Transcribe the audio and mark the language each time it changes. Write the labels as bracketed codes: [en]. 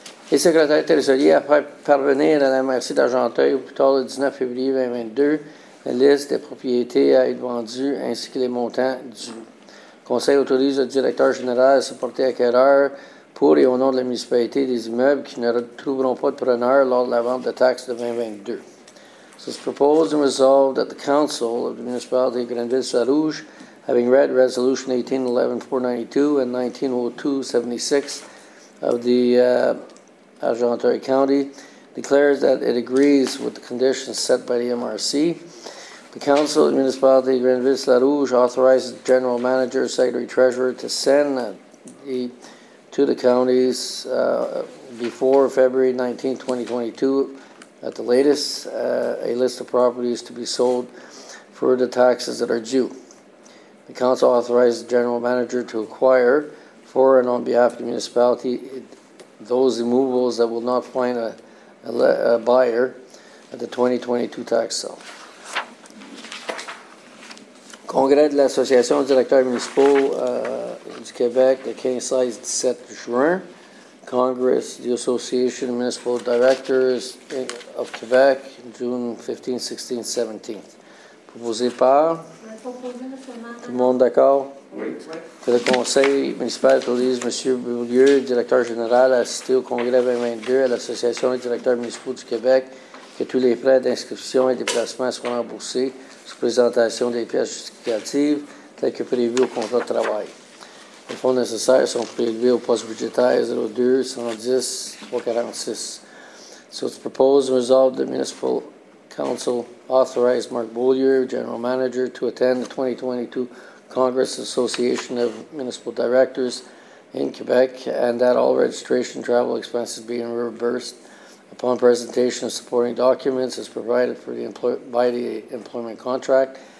[fr] Les secrétaires trésoriers après parvenir à la MRC d'Argenteuil au plus tard le 19 février 2022 la liste des propriétés à être vendues ainsi que les montants dus. Le conseil autorise le directeur général à se porter acquéreur pour et au nom de la municipalité des immeubles qui ne retrouveront pas de preneur lors de la vente de taxes de 2022. [en] This is proposed and resolved that the Council of the Municipality of Grandville-Sarouge, having read Resolution 1811-492 and 1902-76 of the Argenteuil County, declares that it agrees with the conditions set by the MRC. The Council of the Municipality of Grandville-Sarouge authorizes the General Manager, Secretary Treasurer to send to the counties before February 19, 2022, at the latest, a list of properties to be sold for the taxes that are due. The council authorizes the general manager to acquire for and on behalf of the municipality those immovables that will not find a buyer at the 2022 tax sale. [fr] Congrès de l'Association des directeurs municipaux du Québec, le 15-16-17 juin. [en] Congress, the Association of Municipal Directors of Quebec, June 15, 16, 17. [fr] Proposé par? Tout le monde d'accord? Oui. Que le conseil municipal autorise M. Beaulieu, directeur général, à assister au congrès 2022 à l'Association des directeurs municipaux du Québec, que tous les frais d'inscription et déplacement soient remboursés sous présentation des pièces justificatives, telles que prévues au contrat de travail. Les fonds nécessaires sont prélevés au poste budgétaire 02-110-346. [en] So it's proposed and resolved the Municipal Council authorize Mark Beaulieu, General Manager, to attend the 2022 Congress Association of Municipal Directors in Quebec and that all registration travel expenses be reimbursed upon presentation of supporting documents as provided for the by the employment contract.